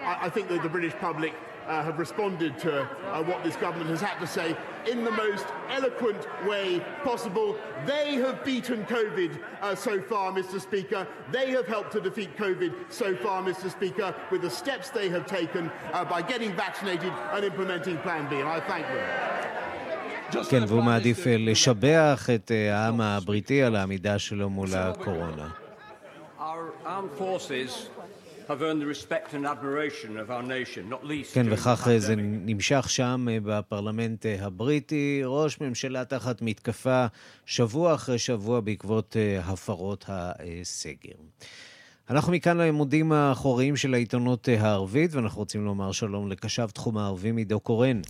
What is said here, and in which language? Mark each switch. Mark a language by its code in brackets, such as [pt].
[en] I think that the British public have responded to what this government has had to say in the most eloquent way possible. They have beaten COVID so far, Mr. Speaker. They have helped to defeat COVID so far, Mr. Speaker, with the steps they have taken by getting vaccinated and implementing Plan B. And I thank them. [he] כן, והוא מעדיף לשבח את העם הבריטי על העמידה שלו מול הקורונה. [en] Our armed forces have earned the respect and admiration of our nation, not least. [he] כן, וכך זה נמשך שם בפרלמנט הבריטי, ראש ממשלה תחת מתקפה שבוע אחרי שבוע בעקבות הפרות הסגר. אנחנו מכאן לעמודים האחוריים של העיתונות הערבית, ואנחנו רוצים לומר שלום לקשב תחום הערבי מידו קורן.